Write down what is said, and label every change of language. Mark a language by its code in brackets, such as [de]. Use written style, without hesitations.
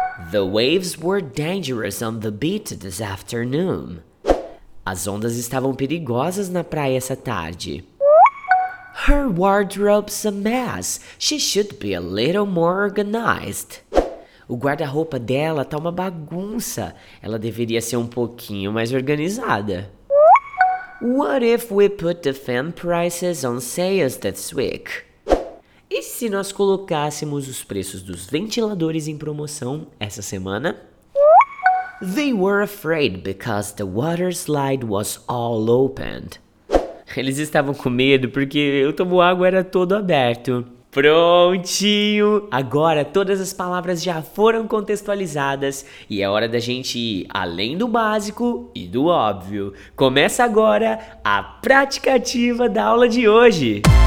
[en] The waves were dangerous on the beach this afternoon. [pt] As ondas estavam perigosas na praia essa tarde. [en] Her wardrobe's a mess. She should be a little more organized. [pt] O guarda-roupa dela tá uma bagunça. Ela deveria ser um pouquinho mais organizada. [en] What if we put the fan prices on sales this week? [pt] E se nós colocássemos os preços dos ventiladores em promoção essa semana? [en] They were afraid because the water slide was all opened. [pt] Eles estavam com medo porque o toboágua era todo aberto. Prontinho! Agora todas as palavras já foram contextualizadas e é hora da gente ir além do básico e do óbvio. Começa agora a prática ativa da aula de hoje.